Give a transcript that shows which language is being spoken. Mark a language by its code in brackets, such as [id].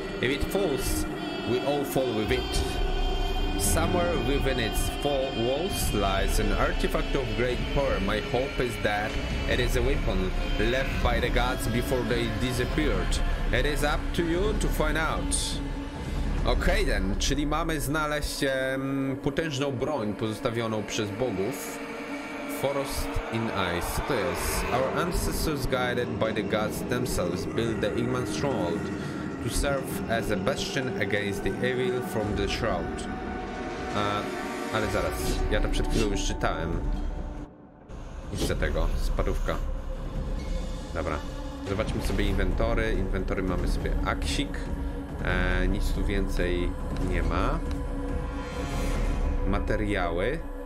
[en] If it falls, we all fall with it. Somewhere within its four walls lies an artifact of great power. My hope is that it is a weapon left by the gods before they disappeared. It is up to you to find out. [pl] Okej, then, czyli mamy znaleźć potężną broń pozostawioną przez bogów. Forest in Ice. Co to jest? [en] Our ancestors, guided by the gods themselves, built the Igman Stronghold to serve as a bastion against the evil from the Shroud. [pl] Ale zaraz, ja to przed chwilą już czytałem. Nic za tego, spadówka. Dobra, zobaczmy sobie inwentory. Inwentory mamy sobie aksik. Nic tu więcej nie ma. Materiały.